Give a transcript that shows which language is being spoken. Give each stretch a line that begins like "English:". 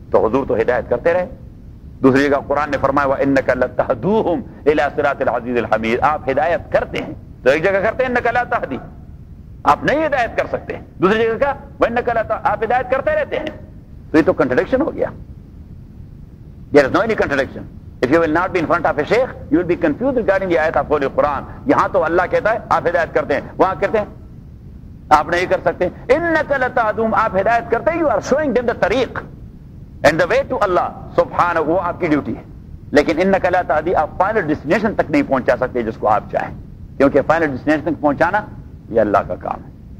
Urdu: تو حضور تو ہدایت کرتے رہے، دوسری جگہ قرآن نے فرمایا
Arabic: وَإِنَّكَ لَتَهْدُوهُمْ إِلَى صِرَاطِ الْعَزِيزِ الْحَمِيدِ،
Urdu: آپ ہدایت کرتے ہیں، تو ایک جگہ کرتے ہیں
Arabic: انک لا تہدی،
Urdu: آپ نہیں ہدایت کر سکتے، دوسری جگہ کا
Arabic: وَإِنَّكَ لَتَهْدُوهُمْ،
Urdu: آپ ہدایت کرتے رہتے ہیں. تو یہ تو کنٹرڈکشن ہو گیا.
English: There is no any contradiction. If you will not be in front of a sheikh, you will be confused regarding the ayat of Holy Quran.
Urdu: یہاں تو اللہ کہتا ہے آپ ہدایت کرتے ہیں، وہاں کرتے ہیں آپ نہیں کر سکتے.
Arabic: انک لتہدوم،
Urdu: آپ ہدایت کرتے ہیں،
English: you are showing them the طریق and the way to Allah سبحانہ،
Urdu: وہ آپ کی ڈیوٹی ہے. لیکن
Arabic: انک لتہدی،
Urdu: آپ فائنل ڈیسٹینیشن تک نہیں پہنچا سکتے جس کو آپ چاہیں، کیونکہ فائنل ڈیسٹینیشن تک پہنچانا یہ اللہ کا کام ہے.